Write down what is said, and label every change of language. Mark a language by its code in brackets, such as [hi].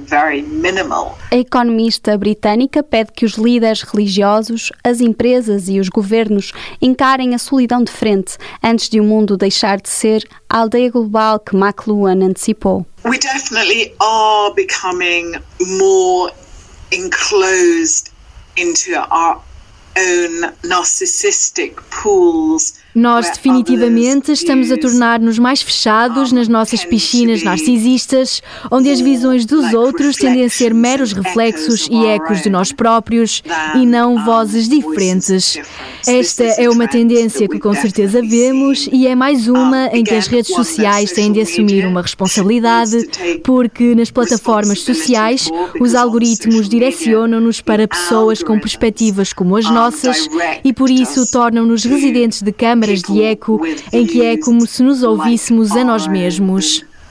[pt] A economista britânica pede que os líderes religiosos, as empresas e os governos encarem a solidão de frente antes de o mundo deixar de ser a aldeia global que McLuhan antecipou. [en] We definitely are becoming more enclosed into our own narcissistic pools. [pt] Nós definitivamente estamos a tornar-nos mais fechados nas nossas piscinas narcisistas, onde as visões dos outros tendem a ser meros reflexos e ecos de nós próprios e não vozes diferentes. Esta é uma tendência que com certeza vemos e é mais uma em que as redes sociais têm de assumir uma responsabilidade, porque nas plataformas sociais os algoritmos direcionam-nos para pessoas com perspectivas como as nossas e por isso tornam-nos residentes de câmaras de eco, em que é como se nos ouvíssemos a nós mesmos.